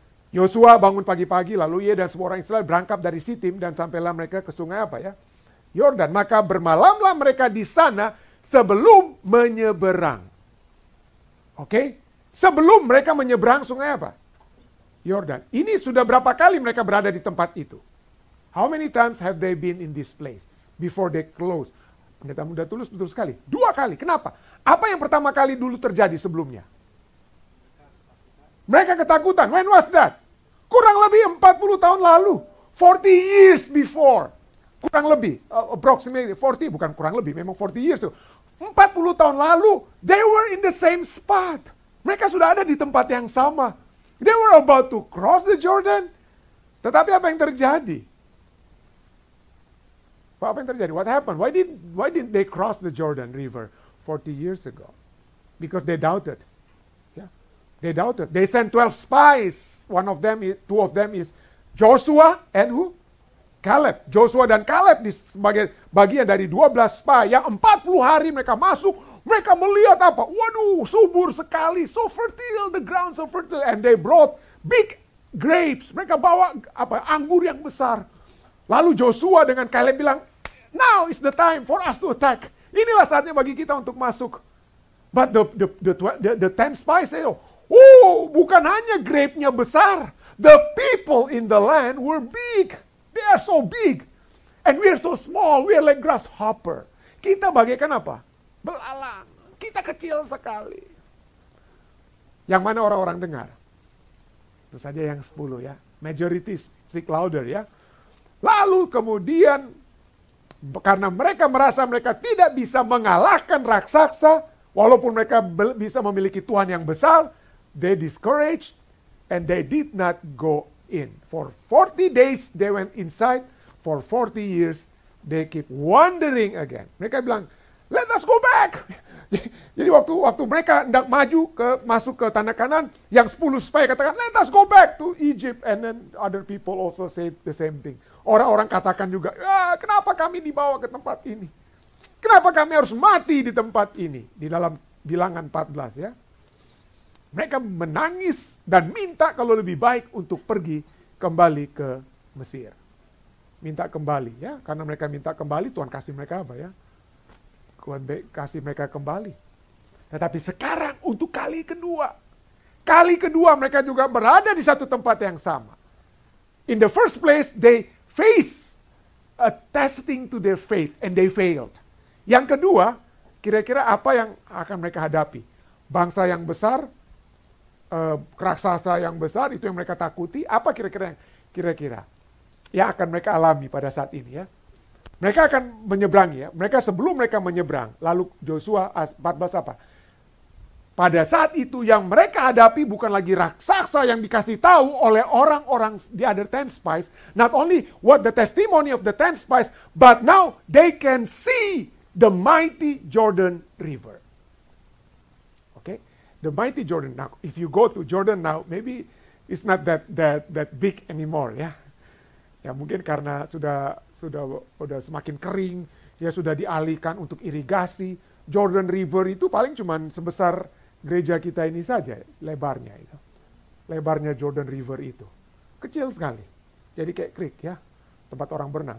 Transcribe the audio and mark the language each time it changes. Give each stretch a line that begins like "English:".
Indonesian: Joshua bangun pagi-pagi, lalu ia dan semua orang Israel berangkat dari Sitim dan sampailah mereka ke sungai apa ya? Yordan, maka bermalamlah mereka di sana sebelum menyeberang. Oke? Sebelum mereka menyeberang sungai apa? Yordan. Ini sudah berapa kali mereka berada di tempat itu?
English: How many times have they been in this place before they close?
Indonesian: Pendeta muda tulus betul sekali. Dua kali. Kenapa? Apa yang pertama kali dulu terjadi sebelumnya? Mereka ketakutan.
English: When was that?
Indonesian: Kurang lebih 40 tahun lalu.
English: 40 years before.
Indonesian: Kurang lebih,
English: approximately 40,
Indonesian: bukan kurang lebih, memang
English: 40 years.
Indonesian: 40 tahun lalu,
English: they were in the same spot.
Indonesian: Mereka sudah ada di tempat yang sama.
English: They were about to cross the Jordan.
Indonesian: Tetapi apa yang terjadi? Apa yang terjadi?
English: What happened? Why didn't they cross the Jordan River 40 years ago? Because they doubted. Yeah. They doubted. They sent 12 spies. Two of them is Joshua and who?
Indonesian: Caleb, Joshua dan Caleb sebagai bagian dari 12 spy yang 40 hari mereka masuk, mereka melihat apa? Waduh, subur sekali,
English: so fertile, the ground so fertile, and they brought big grapes.
Indonesian: Mereka bawa apa? Anggur yang besar. Lalu Joshua dengan Caleb bilang,
English: now is the time for us to attack.
Indonesian: Inilah saatnya bagi kita untuk masuk.
English: But the 10 spies say,
Indonesian: oh, bukan hanya grape-nya besar,
English: the people in the land were big. They are so big. And we are so small. We are like grasshopper.
Indonesian: Kita bagaikan apa? Belalang. Kita kecil sekali. Yang mana orang-orang dengar? Itu saja yang 10 ya.
English: Majority speak louder ya.
Indonesian: Lalu kemudian, karena mereka merasa mereka tidak bisa mengalahkan raksasa, walaupun mereka bisa memiliki Tuhan yang besar,
English: they discouraged and they did not go in. For 40 days they went inside, for 40 years they keep wandering again.
Indonesian: Mereka bilang,
English: let us go back.
Indonesian: Jadi waktu mereka hendak maju ke masuk ke tanah Kanan, yang 10 spy katakan,
English: let us go back to Egypt, and then other people also said the same thing.
Indonesian: Orang-orang katakan juga, kenapa kami dibawa ke tempat ini? Kenapa kami harus mati di tempat ini? Di dalam Bilangan 14 ya. Mereka menangis dan minta kalau lebih baik untuk pergi kembali ke Mesir. Minta kembali ya. Karena mereka minta kembali, Tuhan kasih mereka apa ya? Tuhan kasih mereka kembali. Tetapi sekarang untuk kali kedua mereka juga berada di satu tempat yang sama.
English: In the first place, they face a testing to their faith and they failed.
Indonesian: Yang kedua, kira-kira apa yang akan mereka hadapi? Bangsa yang besar, raksasa yang besar, itu yang mereka takuti, apa kira-kira yang akan mereka alami pada saat ini ya. Mereka akan menyeberang ya, mereka sebelum mereka menyeberang, lalu Joshua 14 apa? Pada saat itu yang mereka hadapi bukan lagi raksasa yang dikasih tahu oleh orang-orang di
English: other 10 spies, not only what the testimony of the 10 spies, but now they can see the mighty Jordan River. The mighty Jordan. Now, if you go to Jordan now, maybe it's not that big anymore, ya.
Indonesian: Ya mungkin karena sudah semakin kering, ya sudah dialihkan untuk irigasi. Jordan River itu paling cuman sebesar gereja kita ini saja lebarnya itu. Lebarnya Jordan River itu. Kecil sekali. Jadi kayak creek ya, tempat orang berenang.